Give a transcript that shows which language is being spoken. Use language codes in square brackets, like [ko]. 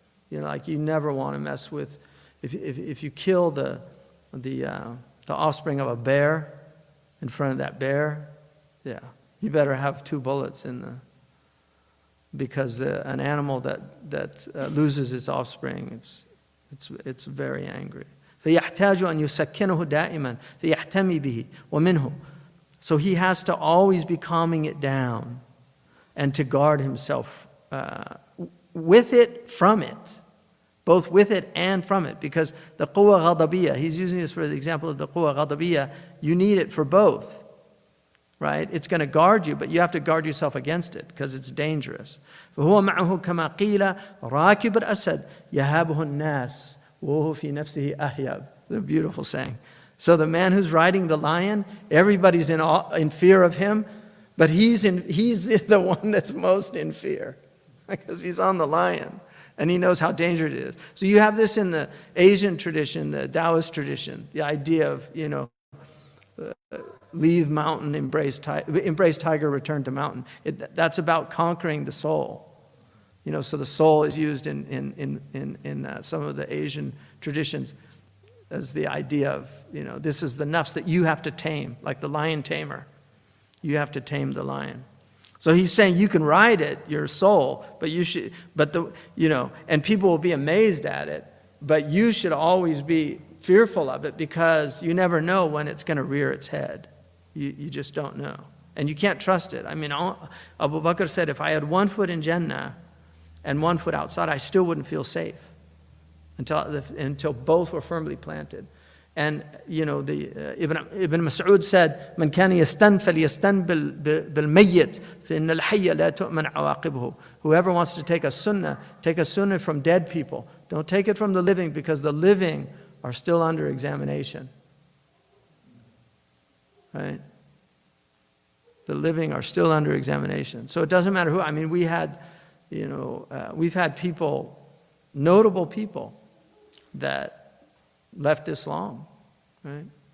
[en] You know, like you never want to mess with. If you kill the offspring of a bear in front of that bear, yeah, you better have two bullets in the. Because an animal that loses its offspring, it's very angry. [ar] فيحتاج أن يسكنه دائما فيحتمي به ومنه. [en] So he has to always be calming it down and to guard himself with it, from it, both with it and from it. Because the قوة غضبية, he's using this for the example of the قوة غضبية, you need it for both, right? It's going to guard you, but you have to guard yourself against it because it's dangerous. [ar] فهو معه كما قيل راكب الأسد يهابه الناس وهو في نفسه أهيب. [en] The beautiful saying. So the man who's riding the lion, everybody's in fear of him, but he's the one that's most in fear because he's on the lion and he knows how dangerous it is. So you have this in the Asian tradition, the Taoist tradition, the idea of, you know, leave mountain, embrace tiger, return to mountain. That's about conquering the soul. You know, so the soul is used in some of the Asian traditions as the idea of, you know, this is the nafs that you have to tame, like the lion tamer. You have to tame the lion. So he's saying you can ride it, your soul, and people will be amazed at it, but you should always be fearful of it because you never know when it's going to rear its head. You just don't know. And you can't trust it. I mean, Abu Bakr said, if I had 1 foot in Jannah and 1 foot outside, I still wouldn't feel safe. Until both were firmly planted. And, you know, Ibn Mas'ud said, [ar] من كان يستن فليستن بالميت فإن الحية لا تؤمن عواقبه. [en] Whoever wants to take a sunnah from dead people. Don't take it from the living, because the living are still under examination. Right? The living are still under examination. So it doesn't matter who. I mean, we had, you know, we've had people, notable people, that left Islam, right?